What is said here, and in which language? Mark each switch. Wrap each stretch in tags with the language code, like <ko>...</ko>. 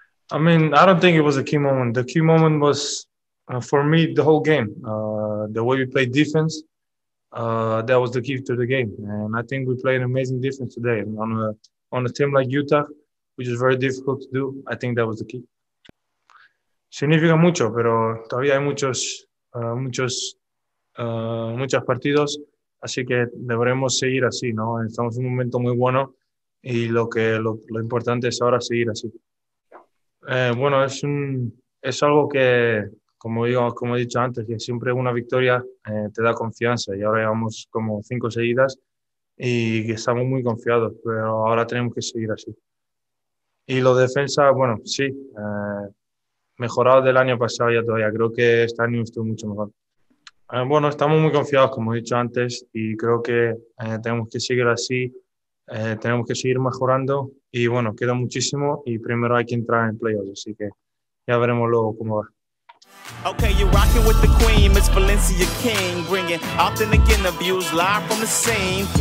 <en>I mean, I don't think it was a key moment. The key moment was, for me, the whole game. The way we played defense, that was the key to the game, and I think we played an amazing defense today on a team like Utah, which is very difficult to do. I think that was the key.</en> <es>Significa mucho, pero todavía hay muchos partidos, así que deberemos seguir así, ¿no? Estamos en un momento muy bueno y lo importante es ahora seguir así. Bueno, es algo que, como he dicho antes, que siempre una victoria te da confianza y ahora llevamos como cinco seguidas y estamos muy confiados, pero ahora tenemos que seguir así. Y lo de defensa, bueno, sí, mejorado del año pasado ya todavía, creo que este año estuvo mucho mejor. Bueno, estamos muy confiados, como he dicho antes, y creo que tenemos que seguir así, tenemos que seguir mejorando, y bueno, queda muchísimo, y primero hay que entrar en playoffs, así que ya veremos luego cómo va.</es> <en>Okay, you're rocking with the queen, Miss Valencia King, bringing authentic interviews live from the scene.</en>